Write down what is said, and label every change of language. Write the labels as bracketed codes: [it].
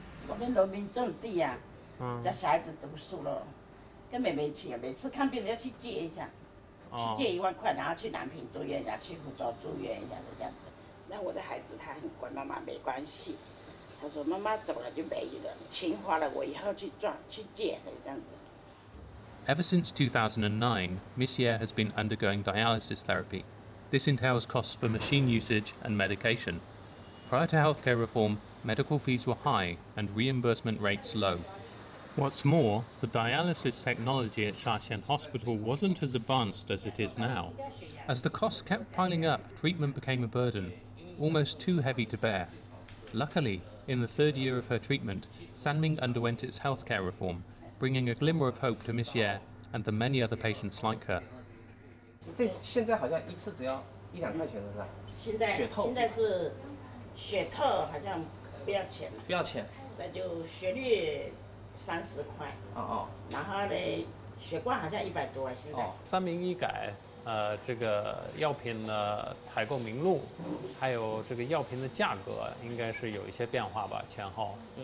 [zh] 我们农民种地呀、家小孩子读书了，根本没去，每次看病都要去借一下，去借10000块，然后去南平住院一下，去福州住院一下，这样子。那我的孩子他很乖，妈妈没关系。他说妈妈走了就没了，钱花了我以后去赚去借的这样子。 [en] Ever since 2009, Missier has been undergoing dialysis therapy. This entails costs for machine usage and medication. Prior to healthcare reform, medical fees were high and reimbursement rates low. What's more, the dialysis technology at Shaxian Hospital wasn't as advanced as it is now. As the costs kept piling up, treatment became a burden, almost too heavy to bear. Luckily, in the third year of her treatment, Sanming underwent its healthcare reform, bringing a glimmer of hope to Miss Ye and the many other patients like her. [zh] 这现在好像一次只要1-2块钱了，是吧？现在是血透好像不要钱了。不要钱。那就血率。30块。然后呢，血罐好像100多啊，现在。三明医改，这个药品的采购名录，还有这个药品的价格，应该是有一些变化吧，前后。